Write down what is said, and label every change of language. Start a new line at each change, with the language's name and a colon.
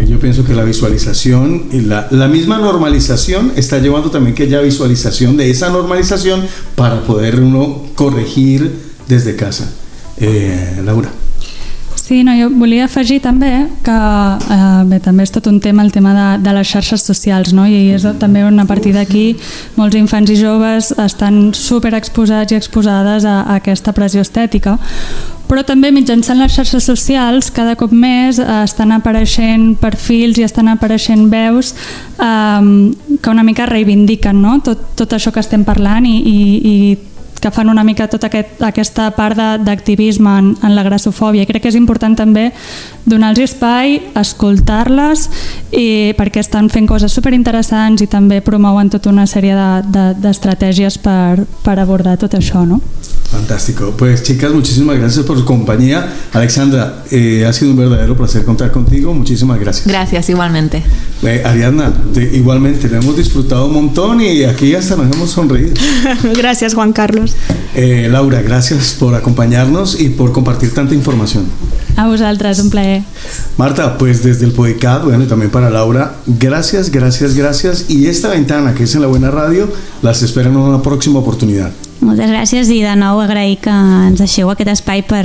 Spanish: Bueno, yo pienso que la visualización y la misma normalización está llevando también que haya visualización de esa normalización para poder uno corregir desde casa. Laura.
Catalan: Sí, no, jo volia afegir també que bé, també és tot un tema el tema de les xarxes socials, no? I és també una partida aquí, molts infants i joves estan super exposats i exposades a aquesta pressió estètica, però també mitjançant les xarxes socials cada cop més estan apareixent perfils i estan apareixent veus que una mica reivindiquen, no?, tot això que estem parlant i que fan una mica tota aquesta part d'activisme en la grassofòbia. Crec que és important també donar-los espai, escoltar-les, perquè estan fent coses superinteressants i també promouen tota una sèrie d'estratègies per abordar tot això, no?
Spanish: Fantástico. Pues chicas, muchísimas gracias por su compañía. Alexandra, ha sido un verdadero placer contar contigo. Muchísimas gracias. Gracias, igualmente. Ariadna, igualmente, lo hemos disfrutado un montón y aquí hasta nos hemos sonreído. Gracias, Juan Carlos. Laura, gracias por acompañarnos y por compartir tanta información.
Catalan: A vosaltres, un plaer.
Spanish: Marta, pues desde el Podcast, bueno, y también para Laura, gracias, gracias, gracias. Y esta ventana que es en La Buena Radio, las espero en una próxima oportunidad.
Catalan: Moltes gràcies i de nou agrair que ens deixeu aquest espai